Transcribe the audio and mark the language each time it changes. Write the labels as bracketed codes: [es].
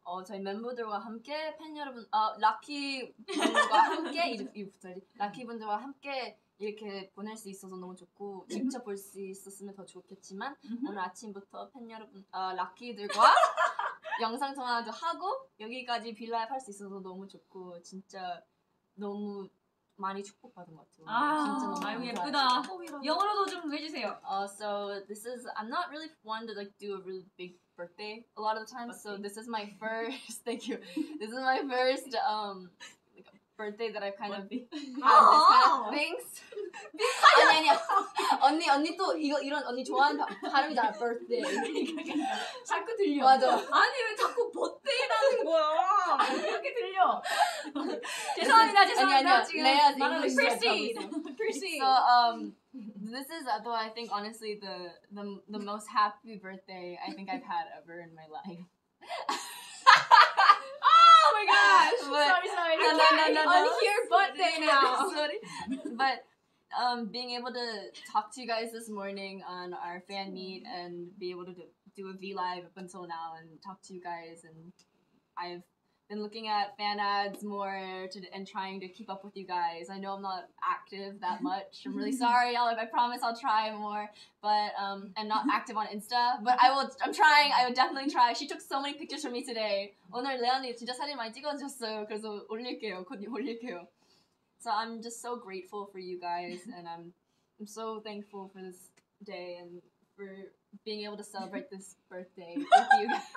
[ko] 저희 멤버들과 함께 팬 여러분, 라키 분들과 함께 이제부터 라키 분들과 함께 이렇게 보낼 수 있어서 너무 좋고 직접 볼 수 있었으면 더 좋겠지만 오늘 아침부터 팬 여러분, 라키들과 영상 통화도 하고 여기까지 빌라에 할 수 있어서 너무 좋고 진짜 너무 많이 축복받은 것 같아요. 아, 진짜 너무 아유, 예쁘다. 영어로도 좀 해주세요. [en] So this is I'm not really one to like do a really big birthday a lot of the time, so this is my first thank you this is my first like birthday that I've kind of had this kind of things [ko] 아니 아니야. 언니 언니 또 이거 이런 언니 좋아하는 발음이잖아. [en] Birthday. [ko] 자꾸 들려. 맞아. 아니 왜 자꾸 birthday라는 거야? 이렇게 들려. 죄송합니다. 죄송합니다. 아니야 아니야. 레아 지금 [en] proceed. Proceed. So this is though I think honestly the most happy birthday I think I've had ever in my life. Oh my gosh! But, sorry. But being able to talk to you guys this morning on our fan meet and be able to do a V live up until now and talk to you guys, and I've been looking at fan ads more and trying to keep up with you guys. I know I'm not active that much. I'm really sorry, y'all. I promise I'll try more, but and not active on Insta. But I will. I'm trying. I will definitely try. She took so many pictures from me today. [ko] 오늘 레아님 진짜 사진 많이 찍어줬어요. 그래서 올릴게요. 곧 올릴게요. [en] So I'm just so grateful for you guys, and I'm so thankful for this day and for being able to celebrate this birthday with you guys.